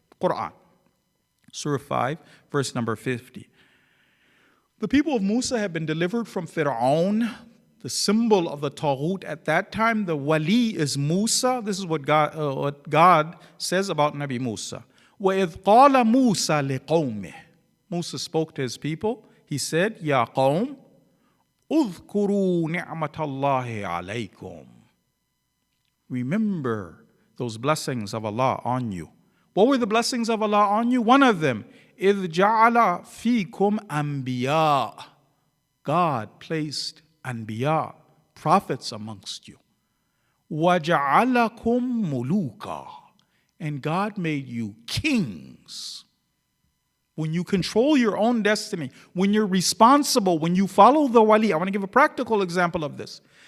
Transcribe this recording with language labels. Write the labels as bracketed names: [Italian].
[English] Quran, Surah 5, verse number 50. The people of Musa have been delivered from Fir'aun, the symbol of the taghut. At that time, the wali is Musa. This is what God says about Nabi Musa. [Arabic] وَإِذْ قَالَ مُوسَى لِقَوْمِهِ [English] Musa spoke to his people. He said, [Arabic] يَا قَوْمْ اذكروا نعمة الله عليكم. [English] Remember those blessings of Allah on you. What were the blessings of Allah on you? One of them, [Arabic] إذ جعل فيكم أنبياء. [English] God placed أنبياء, prophets amongst you. [Arabic] وَجَعَلَكُمْ مُلُوكًا. [English] And God made you kings. When you control your own destiny, when you're responsible, when you follow the wali, I want to give a practical example of this.